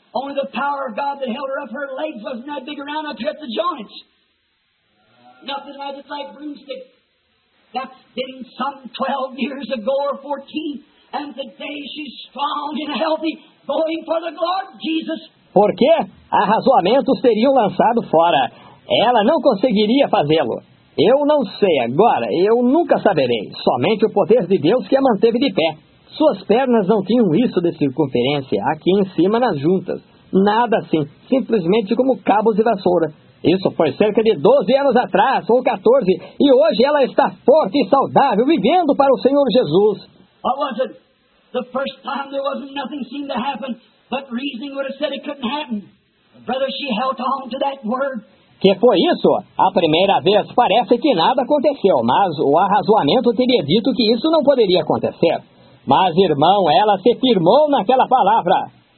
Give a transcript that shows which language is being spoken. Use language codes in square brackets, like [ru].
[en] Only the power of God that held her up. Her legs wasn't that big around up here at the joints. Nothing like it's like broomstick. That's been some 12 years ago or 14. And today she's strong and healthy, going for the Lord Jesus. [pt] Por quê? Arrazoamentos seriam lançado fora. Ela não conseguiria fazê-lo. Eu não sei agora. Eu nunca saberei. Somente o poder de Deus que a manteve de pé. Suas pernas não tinham isso de circunferência, aqui em cima nas juntas. Nada assim, simplesmente como cabos de vassoura. Isso foi cerca de 12 anos atrás, ou 14, e hoje ela está forte e saudável, vivendo para o Senhor Jesus. [en] What was it? The first time there wasn't nothing seemed to happen, but reasoning would have said it couldn't happen. Brother, she held on to that word. [pt] Que foi isso? A primeira vez parece que nada aconteceu, mas o arrazoamento teria dito que isso não poderia acontecer. Mas, irmão, ela se firmou naquela palavra.